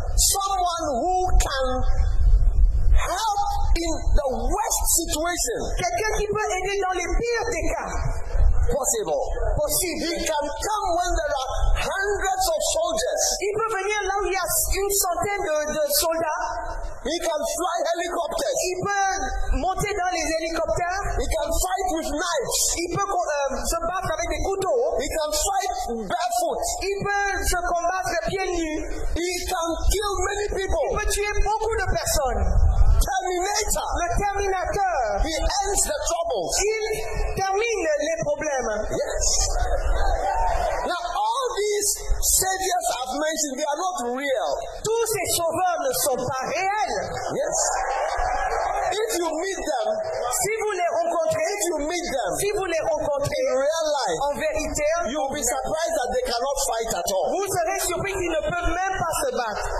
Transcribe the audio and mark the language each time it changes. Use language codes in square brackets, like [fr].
[en] Someone who can help in the worst situation. [fr] Quelqu'un qui peut aider dans les pires des cas. [en] Possible. [fr] Possible. [en] He can come when there are hundreds of soldiers. [fr] Il peut venir là où il y a une centaine de soldats. [en] He can fly helicopters. [fr] Il peut monter dans les hélicoptères. [en] He can fight with knives. [fr] Il peut se battre avec des couteaux. [en] He can fight barefoot. [fr] Il peut se combattre pieds nus. [en] He can kill many people. [fr] Il peut tuer beaucoup de personnes. [en] Terminator. [fr] Le Terminator. [en] He ends the troubles. [fr] Il termine les problèmes. [en] Yes. Now all these saviors I've mentioned, they are not real. [fr] Tous ces sauveurs ne sont pas réels. [en] Yes. If you meet them, [fr] si vous les rencontrez, [en] if you meet them, [fr] si vous les rencontrez, [en] in real life, [fr] en vérité, [en] you will be surprised that they cannot fight at all. [fr] Vous serez surpris qu'ils ne peuvent même pas se battre.